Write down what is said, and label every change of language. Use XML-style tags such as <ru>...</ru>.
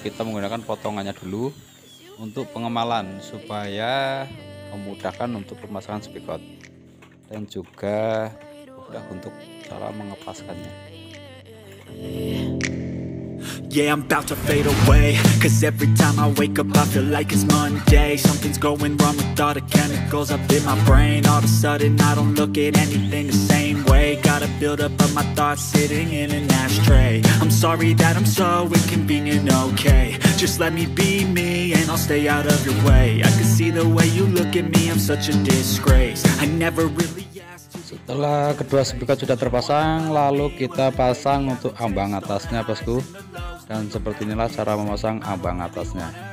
<id>Kita menggunakan potongannya dulu untuk pengemalan supaya memudahkan untuk pemasangan spigot dan juga untuk cara mengepaskannya.</id> <en>Yeah, I'm about to fade away, cause every time I wake up I feel like it's Monday. Something's going wrong with all the chemicals up in my brain. All of a sudden I don't look at anything the same way. Gotta build up of my thoughts sitting in an ashtray. I'm sorry that I'm so inconvenient, okay. Just let me be me and I'll stay out of your way. I can see the way you look at me, I'm such a disgrace. I never really.</en> <id>Setelah kedua spigot sudah terpasang, lalu kita pasang untuk ambang atasnya, Bosku. Dan seperti inilah cara memasang ambang atasnya.</id>